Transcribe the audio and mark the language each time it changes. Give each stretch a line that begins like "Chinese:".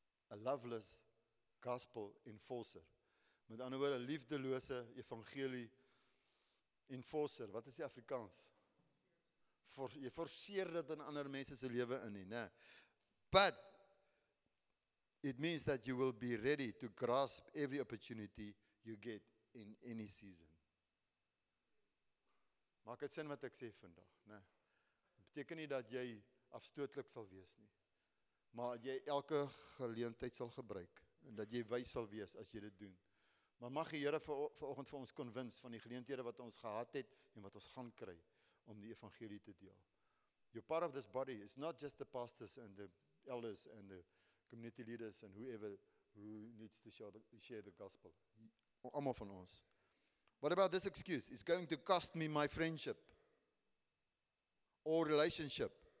English: A loveless gospel enforcer.
Afrikaans: Met ander woorde, 'n liefdelose evangelie enforcer. Wat is die Afrikaans? Jy forceer dit in ander mense se lewe in nie, né?
English: But it means that you will be ready to grasp every opportunity you get in any season.
Afrikaans: Maak dit sin wat ek sê vandag, né? Dit beteken nie dat jy afstootlik sal wees nie. Maar jy elke geleentheid sal gebruik en dat jy wys sal wees as jy dit doen. Maar mag die Here vanoggend vir ons konwins van die geleenthede wat ons gehad het en wat ons gaan kry om die evangelie te deel.
English: You're part of this body. It's not just the pastors and the elders and the community leaders and whoever who needs to share the gospel.
Afrikaans: Almal van ons.
English: What about this excuse? It's going to cost me my friendship or relationship.